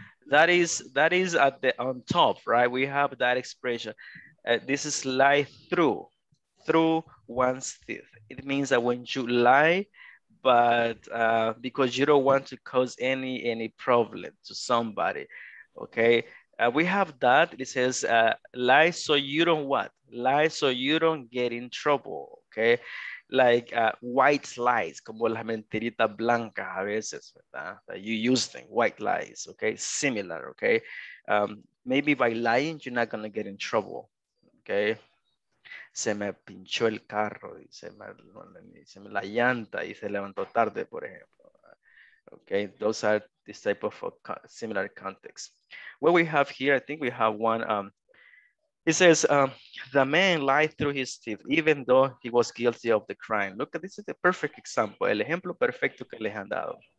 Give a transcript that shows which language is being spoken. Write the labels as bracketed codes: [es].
[en] That is at the on top, right? We have that expression. This is light through one's teeth. It means that when you lie, but because you don't want to cause any problem to somebody, okay? We have that. It says lie so you don't what? Lie so you don't get in trouble, okay? Like white lies, [es] como la mentirita blanca a veces, ¿verdad? [en] That you use them, white lies, okay? Similar, okay? Maybe by lying, you're not gonna get in trouble, okay? [es] Se me pinchó el carro, se me la llanta y se levantó tarde, por ejemplo. [en] Okay, those are this type of similar context. What we have here, I think we have one. It says, the man lied through his teeth, even though he was guilty of the crime. Look, this is the perfect example, [es] el ejemplo perfecto que les han dado.